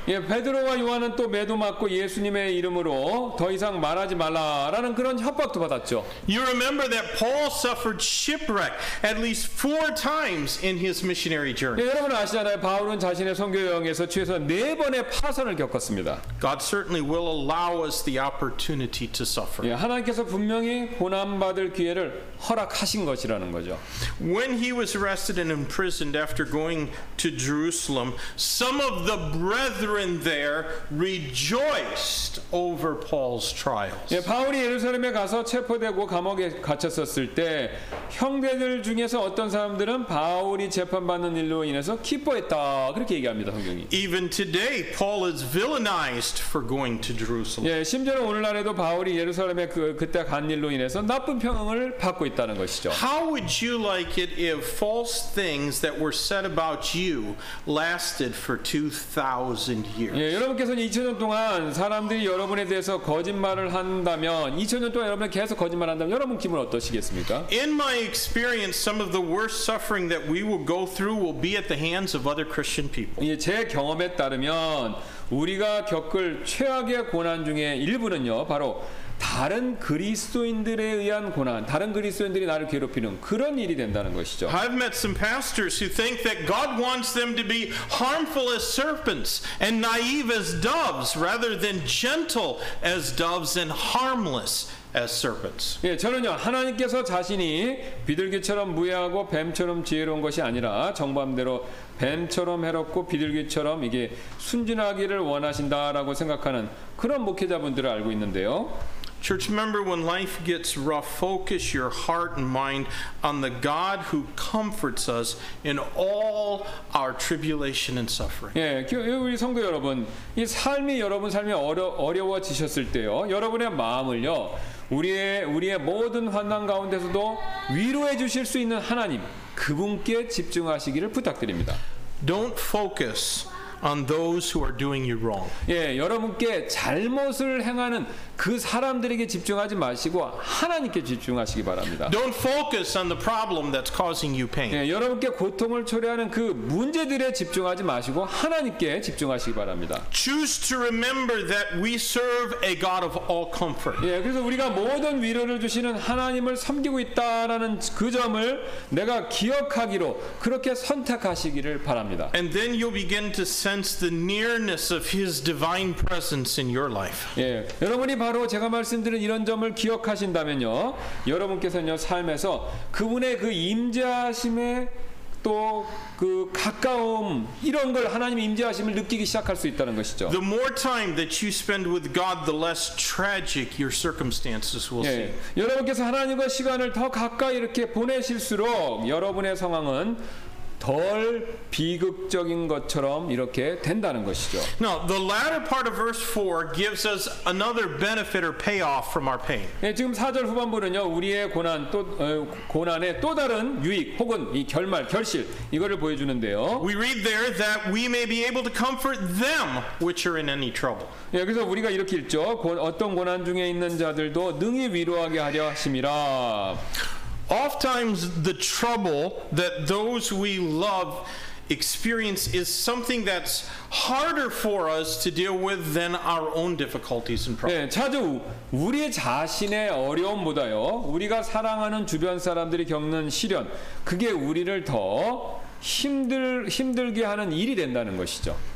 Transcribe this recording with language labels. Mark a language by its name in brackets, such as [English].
[Korean] 예, 베드로와 요한은 또 매도 맞고 예수님의 이름으로 더 이상 말하지 말라라는 그런 협박도 받았죠. [English] You remember that Paul suffered shipwreck at least 4 times in his missionary journey. [Korean] 예, 여러분 아시잖아요, 바울은 자신의 선교 여행에서 최소 4번의 파선을 겪었습니다. [English] God certainly will allow us the opportunity to suffer. [Korean] 예, 하나님께서 분명히 고난 받을 기회를 허락하신 것이라는 거죠. [English] When he was arrested and imprisoned after going to Jerusalem, some of the brethren there rejoiced over Paul's trials. [Korean] 예, 바울이 예루살렘에 가서 체포되고 감옥에 갇혔었을 때 형제들 중에서 어떤 사람들은 바울이 재판받는 일로 인해서 기뻐했다. 그렇게 얘기합니다, 성경이. [English] Even today Paul is villainized for going to Jerusalem. [Korean] 예, 심지어 오늘날에도 바울이 예루살렘에 그때 간 일로 인해서 나쁜 평을 받고 있다는 것이죠. [English] How would you like it if false things that were said about you lasted for 2000 years? [Korean] 예, 여러분께서는 2000년 동안 사람들이 여러분에 대해서 거짓말을 한다면 2000년 동안 여러분이 계속 거짓말 한다면 여러분 기분 어떠시겠습니까? [English] In my experience, some of the worst suffering that we will go through will be at the hands of other Christian people. [Korean] 예, 제 경험에 따르면 우리가 겪을 최악의 고난 중에 일부는요, 바로 다른 그리스도인들에 의한 고난, 다른 그리스도인들이 나를 괴롭히는 그런 일이 된다는 것이죠. [English] I've met some pastors who think that God wants them to be harmful as serpents and naive as doves rather than gentle as doves and harmless as serpents. [Korean] 예, 저는요, 하나님께서 자신이 비둘기처럼 무해하고 뱀처럼 지혜로운 것이 아니라 정반대로 뱀처럼 해롭고 비둘기처럼 이게 순진하기를 원하신다라고 생각하는 그런 목회자분들을 알고 있는데요. [English] Church member, when life gets rough, focus your heart and mind on the God who comforts us in all our tribulation and suffering. [Korean] 예, 우리 성도 여러분, 이 삶이 여러분 삶이 어려워지셨을 때요, 여러분의 마음을요, 우리의 모든 환난 가운데서도 위로해 주실 수 있는 하나님, 그분께 집중하시기를 부탁드립니다. [English] Don't focus on those who are doing you wrong. [Korean] 예, 여러분께 잘못을 행하는 그 사람들에게 집중하지 마시고 하나님께 집중하시기 바랍니다. [English] Don't focus on the problem that's causing you pain. [Korean] 예, 여러분께 고통을 초래하는 그 문제들에 집중하지 마시고 하나님께 집중하시기 바랍니다. [English] Choose to remember that we serve a God of all comfort. [Korean] 예, 그래서 우리가 모든 위로를 주시는 하나님을 섬기고 있다라는 그 점을 내가 기억하기로 그렇게 선택하시기를 바랍니다. [English] And then you'll begin to sense the nearness of His divine presence in your life. [Korean] 예, 여러분이 바로 제가 말씀드린 이런 점을 기억하신다면요, 여러분께서는요 삶에서 그분의 그 임재하심에 또 그 가까움 이런 걸 하나님의 임재하심을 느끼기 시작할 수 있다는 것이죠. [English] The more time that you spend with God, the less tragic your circumstances will seem. [Korean] 예, 여러분께서 하나님과 시간을 더 가까이 이렇게 보내실수록 여러분의 상황은 덜 비극적인 것처럼 이렇게 된다는 것이죠. [English] Now, the latter part of verse 4 gives us another benefit or payoff from our pain. [Korean] 예, 지금 4절 후반부는요, 우리의 고난 또 고난의 또 다른 유익 혹은 이 결말 결실 이거를 보여주는데요. [English] We read there that we may be able to comfort them which are in any trouble. [Korean] 예, 그래서 우리가 이렇게 읽죠. 어떤 고난 중에 있는 자들도 능히 위로하게 하려 하심이라. [English] Oftentimes, the trouble that those we love experience is something that's harder for us to deal with than our own difficulties and problems. [Korean] 네, 자주 우리 자신의 어려움보다요, 우리가 사랑하는 주변 사람들이 겪는 시련, 그게 우리를 더 힘들게 하는 일이 된다는 것이죠.